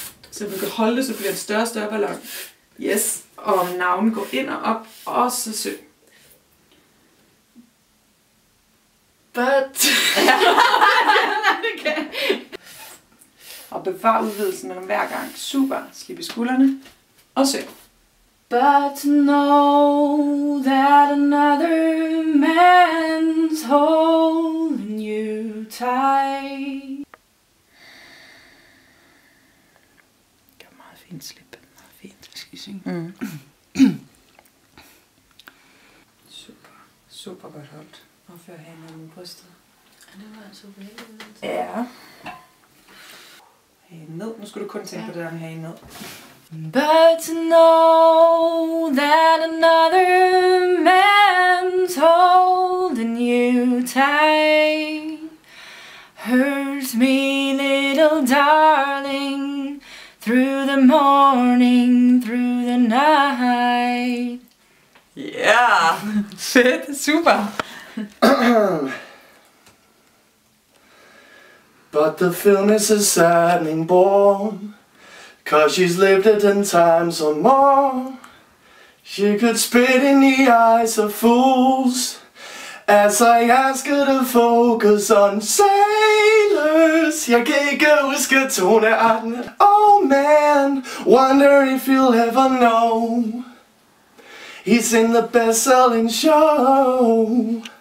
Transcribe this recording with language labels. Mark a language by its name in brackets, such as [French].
[Danish] Så vi kan holde det, så bliver det større og større ballon. Yes. Og navnet går ind og op, og så søg. [English] But. [Danish] Og bevar udvidelsen mellem hver gang. Super. Slip i skuldrene. Og søg. [English] But to know that another man's holding you tight. [Danish] Slip. Meget fint, hvis I synger. Mm. Super. Super godt holdt. Og før han er med brystet. Ja, det var altså vildt. Ja. Hagen ned. Nu skal du kun tænke på det der med hagen ned. [English] But to know that another man's holding you tight hurts me, little darling. Through the morning, through the night. [Danish] Ja, yeah. Fedt, super. [English] But the film is a saddening bore, 'cause she's lived it 10 times or more. She could spit in the eyes of fools as I ask her to focus on sailors. [Danish] Jeg kan ikke huske tonearten. [English] Oh man, wonder if you'll ever know. He's in the best-selling show.